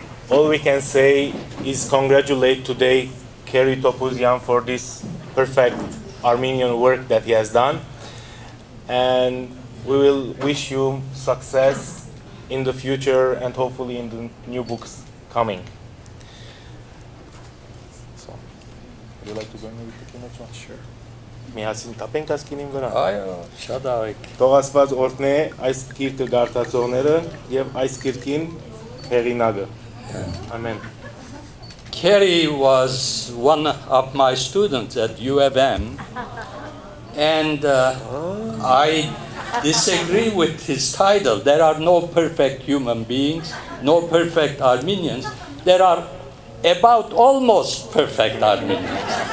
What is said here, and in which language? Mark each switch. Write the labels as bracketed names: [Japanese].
[English] All we can say is congratulate today Carrie Topuzian for this perfect Armenian work that he has done. And we will wish you success in the future and hopefully in the new books coming. So, would you like to go in with the next one? Sure. [Armenian] Միասին տապենք ասկինին վրա։ Այո, շատ արագ։ Թող Աստված օրհնե այս գիրքը գարտացողները եւ այս գիրքին հեղինակը։ [English] Amen. Carrie was one of my students at U of M, and I disagree with his title. There are no perfect human beings, no perfect Armenians. There are about almost perfect Armenians.